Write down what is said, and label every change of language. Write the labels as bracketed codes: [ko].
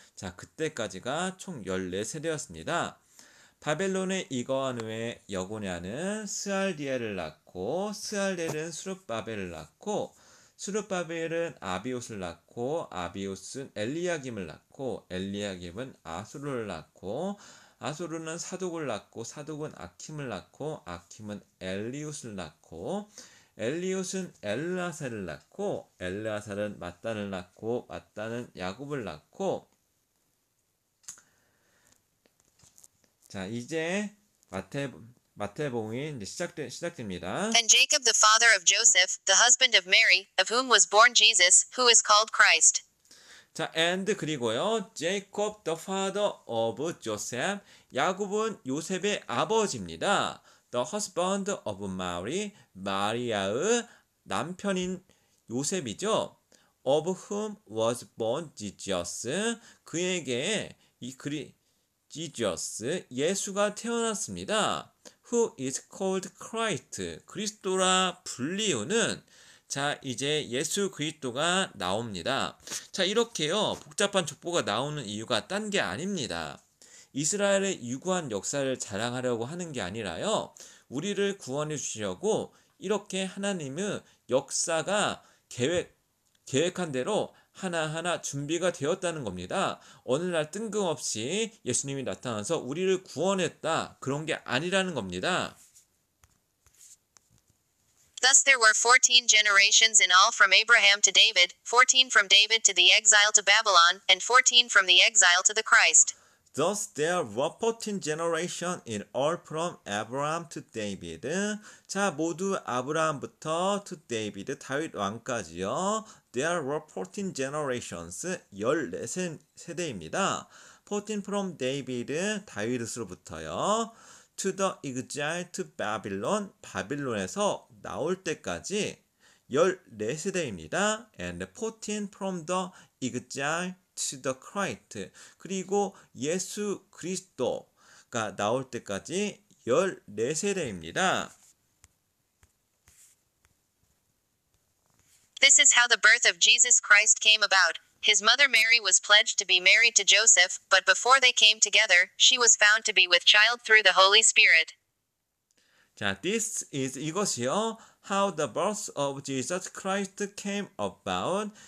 [ko] 자 그때까지가 총 14세대였습니다. 바벨론에 이거한 후에 여고냐는 스알디엘을 낳고 스알디엘은 수룹바벨을 낳고 수룹바벨은 아비옷을 낳고 아비옷은 엘리야김을 낳고 엘리야김은 아수르를 낳고 아수르는 사독을 낳고 사독은 아킴을 낳고 아킴은 엘리옷을 낳고 엘리옷은 엘라사를 낳고 엘라사는 맞단을 낳고 맞단은 야곱을 낳고 자 이제 마태복음이 시작됩니다. [en] And Jacob the father of Joseph, the husband of Mary, of whom was born Jesus, who is called Christ. 자, and [ko] 그리고요. [en] Jacob the father of Joseph. [ko] 야곱은 요셉의 아버지입니다. [en] The husband of Mary. [ko] 마리아의 남편인 요셉이죠. [en] Of whom was born Jesus. [ko] 그에게 [en] Jesus, [ko] 예수가 태어났습니다. [en] Who is called Christ. [ko] 그리스도라 불리우는 자, 이제 예수 그리스도가 나옵니다. 자, 이렇게요. 복잡한 족보가 나오는 이유가 딴 게 아닙니다. 이스라엘의 유구한 역사를 자랑하려고 하는 게 아니라요. 우리를 구원해 주시려고 이렇게 하나님의 역사가 계획한 대로 하나하나 준비가 되었다는 겁니다. 어느 날 뜬금없이 예수님이 나타나서 우리를 구원했다. 그런 게 아니라는 겁니다. [en] Thus there were 14 generations in all from Abraham to David, 14 from David to the exile to Babylon, and 14 from the exile to the Christ. Thus there were 14 generations in all from Abraham to David. [ko] 자, 모두 아브라함부터 [en] to David, [ko] 다윗 왕까지요. [en] There were 14 generations, [ko] 14세대입니다. [en] 14 from David, [ko] 다윗으로부터요. [en] To the exile to Babylon, [ko] 바빌론에서 나올 때까지 14세대입니다. [en] And 14 from the exile to the Christ. [ko] 그리고 예수 그리스도가 나올 때까지 14세대입니다. [en] This is how the birth of Jesus Christ came about. His mother Mary was pledged to be married to Joseph, but before they came together, she was found to be with child through the Holy Spirit. 자, this is [ko] 이것이요. [en] How the birth of Jesus Christ came about.